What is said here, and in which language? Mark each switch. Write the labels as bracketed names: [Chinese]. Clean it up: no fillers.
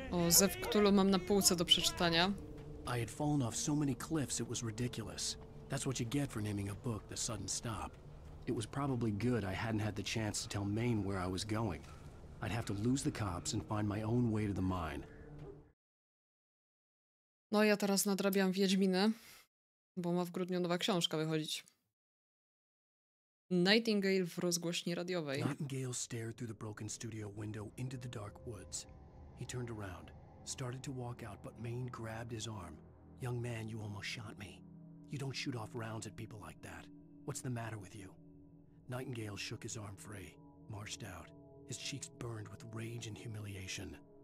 [Polish] Zew Cthulhu mam na półce do przeczytania. [English] I had fallen off so many cliffs it was ridiculous. That's what you get for naming a book The Sudden Stop. It was probably good I hadn't had the chance to tell Maine where I was going. I'd have to lose the cops and find my own way to the mine. [Polish] No ja teraz nadrabiam Wiedźminę, bo ma w grudniu nowa książka wychodzić. Nightingale w rozgłośni radiowej. [English] Nightingale stared through the broken studio window into the dark woods. He turned around, started to walk out, but Maine grabbed his arm. Young man, you almost shot me. You don't shoot off rounds at people like that. What's the matter with you? Nightingale shook his arm free, marched out, his cheeks burned with rage and humiliation.